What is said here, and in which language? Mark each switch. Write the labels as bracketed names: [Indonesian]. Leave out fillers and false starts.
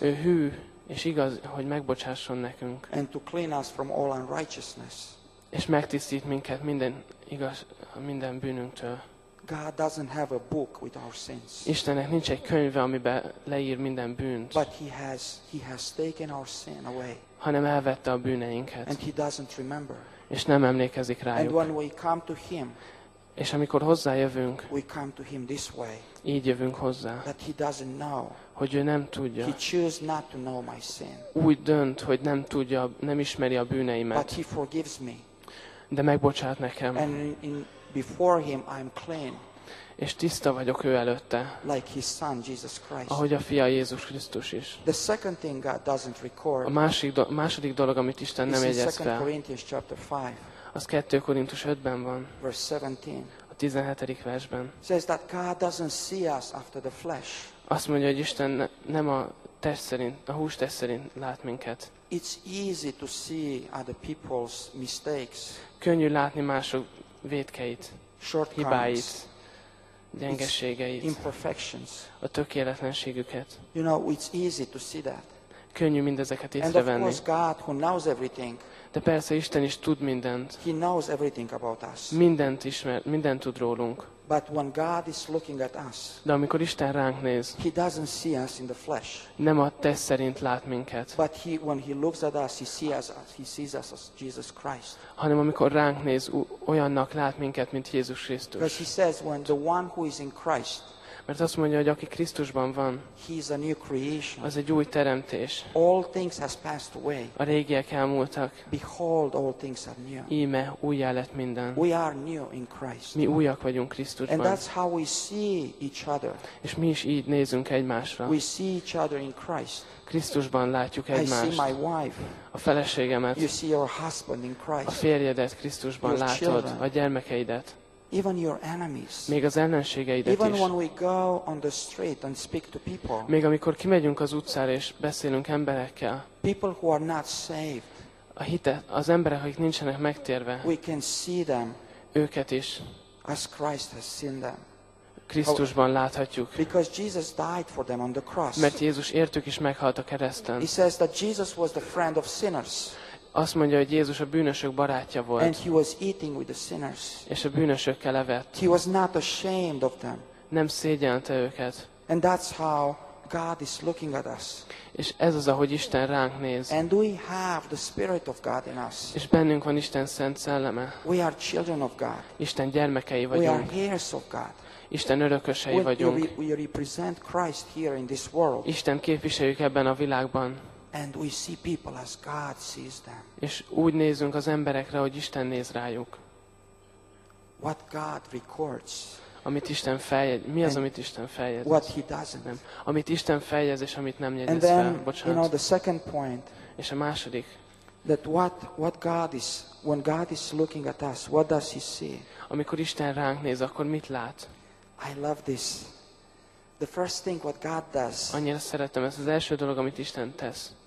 [Hungarian] Ő hű és igaz, hogy megbocsásson nekünk. [English] And to clean us from all unrighteousness. [Hungarian] És megtisztít minket minden bűnünktől. [English] God doesn't have a book with our sins. [Hungarian] Istennek nincs egy könyve, amiben leír minden bűnt. [English] But he has taken our sin away. [Hungarian] Hanem elvette a bűneinket. [English] And he doesn't remember. [Hungarian] És nem emlékezik rájuk. [English] And when we come to him, [Hungarian] és amikor hozzájövünk, [English] we come to him this way, [Hungarian] így jövünk hozzá, [English] that he doesn't know, [Hungarian] hogy ő nem tudja. [English] He chose not to know my sin. [Hungarian] Úgy dönt, hogy nem tudja, nem ismeri a bűneimet. [English] But he forgives me. [Hungarian] De megbocsát nekem. [English] And in before him I'm clean. [Hungarian] És tiszta vagyok ő előtte. [English] Like his son Jesus Christ. [Hungarian] Ahogy a fia Jézus Krisztus is. [English] The second thing God doesn't record. [Hungarian] A második dolog, amit Isten nem jegyez fel. [English] 2 Corinthians chapter 5. [Hungarian] Az 2 Korintus 5-ben van. [English] Verse 17. [Hungarian] A 17. versben. [English] Says that God doesn't see us after the flesh. [Hungarian] Azt mondja, hogy Isten nem a test szerint, a hús test szerint lát minket. [English] It's easy to see other people's mistakes. [Hungarian] Könnyű látni mások vétkeit, hibáit, gyengeségeit, [English] imperfections, [Hungarian] a tökéletlenségüket. [English] You know, it's easy to see that. [Hungarian] Könnyű mindezeket észrevenni. [English] And of course God, who knows everything, [Hungarian] de persze Isten is tud mindent. [English] He knows everything about us. [Hungarian] Mindent ismer, mindent tud rólunk. [English] But when God is looking at us, [Hungarian] de amikor Isten ránk néz, [English] he doesn't see us in the flesh. [Hungarian] Nem a test szerint lát minket. [English] But when he looks at us, he sees us as Jesus Christ. [Hungarian] Hanem amikor ránk néz, olyannak lát minket, mint Jézus Krisztus. [English] Because he says, when the one who is in Christ, [Hungarian] mert azt mondja, hogy aki Krisztusban van, [English] he is a new creation. [Hungarian] Az egy új teremtés. [English] All things has passed away. [Hungarian] A régiek elmúltak. [English] Behold, all things are new. [Hungarian] Íme, újjá lett minden. [English] We are new in Christ. [Hungarian] Mi újak vagyunk Krisztusban. [English] And that's how we see each other. [Hungarian] És mi is így nézünk egymásra. [English] We see each other in Christ. [Hungarian] Krisztusban látjuk egymást. [English] I see my wife. [Hungarian] A feleségemet. [English] You see your husband in Christ. [Hungarian] A férjedet Krisztusban [English] your [Hungarian] látod. [English] Children. [Hungarian] A gyermekeidet. [English] Even your enemies. [Hungarian] Még az ellenségeidet [English] even [Hungarian] is. [English] When we go on the street and speak to people. [Hungarian] Még amikor kimegyünk az utcára és beszélünk emberekkel. [English] People who are not saved. [Hungarian] A hite, az emberek, akik nincsenek megtérve. [English] We can see them. [Hungarian] Őket is. [English] As Christ has seen them. [Hungarian] Krisztusban láthatjuk. [English] Because Jesus died for them on the cross. [Hungarian] Mert Jézus értük is meghalt a kereszten. [English] He says that Jesus was the friend of sinners. [Hungarian] Azt mondja, hogy Jézus a bűnösök barátja volt. [English] And he was eating with the sinners. [Hungarian] És a bűnösökkel evett. [English] He was not ashamed of them. [Hungarian] Nem szégyelte őket. [English] And that's how God is looking at us. [Hungarian] És ez az, ahogy Isten ránk néz. [English] And we have the Spirit of God in us. [Hungarian] És bennünk van Isten Szent Szelleme. [English] We are children of God. [Hungarian] Isten gyermekei vagyunk. [English] We are heirs of God. [Hungarian] Isten örökösei vagyunk. [English] We represent Christ here in this world. [Hungarian] Isten képviseljük ebben a világban. [English] And we see people as God sees them. [Hungarian] És úgy nézünk az emberekre, hogy Isten néz rájuk. [English] What God records. [Hungarian] amit Isten feljegy, mi az, amit Isten feljegyez? [English] What he doesn't. [Hungarian] Nem. Amit Isten feljegyez, és amit nem jegyez [English] and then, [Hungarian] fel. Bocsánat. [English] You know, the second point, [Hungarian] és a második. [English] That what God is, when God is looking at us, what does he see? [Hungarian] Amikor Isten ránk néz, akkor mit lát? [English] I love this. The first thing what God does. [Hungarian] Annyira szeretem ezt, az első dolog, amit Isten tesz.